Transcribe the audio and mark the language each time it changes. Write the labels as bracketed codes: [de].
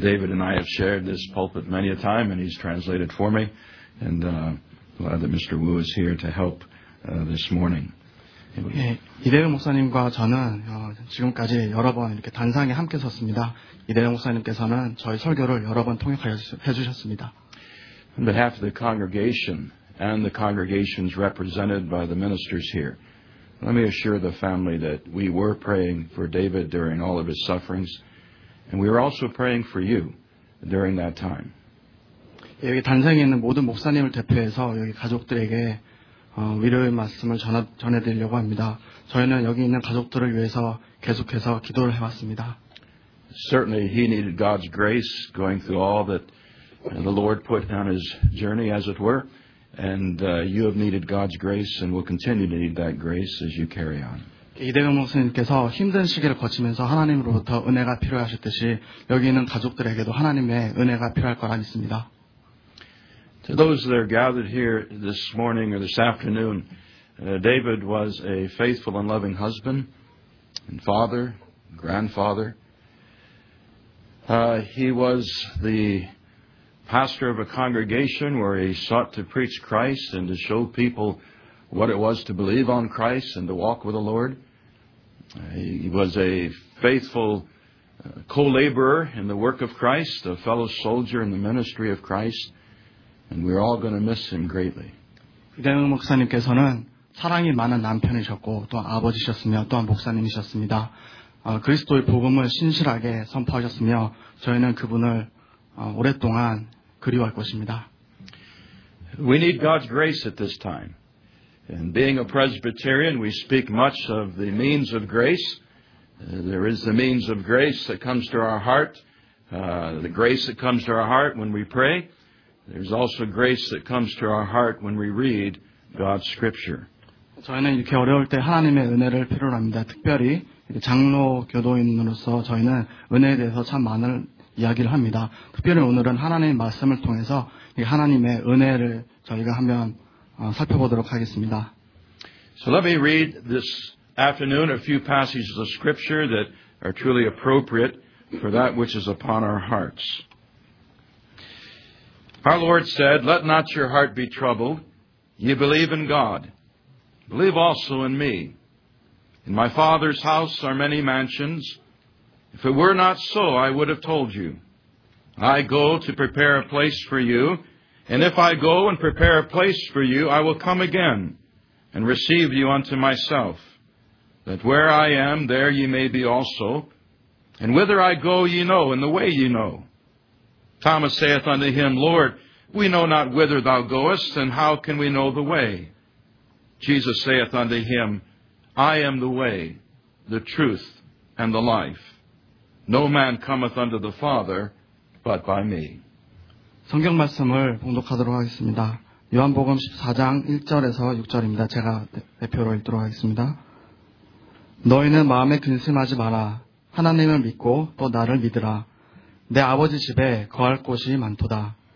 [en] David and I have shared this pulpit many a time, and he's translated for me. And glad that Mr. Wu is here to help this morning. [ko] 예, 이대형 목사님과 저는 지금까지 여러 번 이렇게 단상에 함께 섰습니다. 이대형 목사님께서는 저희 설교를 여러 번 통역해 주셨습니다. [en] On behalf of the congregation and the congregations represented by the ministers here. Let me assure the family that we were praying for David during all of his sufferings, and we were also praying for you during that time. [ko] 여기 단상에 있는 모든 목사님을 대표해서 여기 가족들에게 위로의 말씀을 전해드리려고 합니다. 저희는 여기 있는 가족들을 위해서 계속해서 기도를 해왔습니다. [en] Certainly, he needed God's grace going through all that the Lord put on his journey, as it were. And you have needed God's grace and will continue to need that grace as you carry on. [ko] 이대명 목사님께서 힘든 시기를 거치면서 하나님으로부터 은혜가 필요하셨듯이 여기 있는 가족들에게도 하나님의 은혜가 필요할 거라 믿습니다. [en] To those that are gathered here this morning or this afternoon, David was a faithful and loving husband and father, grandfather. He was the pastor of a congregation where he sought to preach Christ and to show people what it was to believe on Christ and to walk with the Lord. He was a faithful co-laborer in the work of Christ, a fellow soldier in the ministry of Christ, and we're all going to miss him greatly. [ko] 이대영 목사님께서는 사랑이 많은 남편이셨고 또 아버지셨으며 또한 목사님이셨습니다. 그리스도의 복음을 신실하게 선포하셨으며 저희는 그분을 오랫동안 그리워할 것입니다. [en] We need God's grace at this time. And being a Presbyterian, we speak much of the means of grace. There is the means of grace that comes to our heart, the grace that comes to our heart when we pray. There's also grace that comes to our heart when we read God's Scripture. [ko] 저희는 이렇게 어려울 때 하나님의 은혜를 필요로 합니다. 특별히 장로 교도인으로서 저희는 은혜에 대해서 참 많은 이야기를 합니다. 특별히 오늘은 하나님의 말씀을 통해서 이 하나님의 은혜를 저희가 한번 살펴보도록 하겠습니다. [en] So let me read this afternoon a few passages of scripture that are truly appropriate for that which is upon our hearts. Our Lord said, "Let not your heart be troubled. Ye believe in God. Believe also in me. In my Father's house are many mansions. If it were not so, I would have told you. I go to prepare a place for you, and if I go and prepare a place for you, I will come again and receive you unto myself, that where I am, there ye may be also. And whither I go, ye know, and the way ye know." Thomas saith unto him, "Lord, we know not whither thou goest, and how can we know the way?" Jesus saith unto him, "I am the way, the truth, and the life. No man cometh unto the Father but by me." [ko] 성경 말씀을 봉독하도록 하겠습니다. 요한복음 14장 1절에서 6절입니다. 제가 대표로 읽도록 하겠습니다. 너희는 마음에 근심하지 마라. 하나님을 믿고 또 나를 믿으라. 내 아버지 집에 거할 곳이 많도다.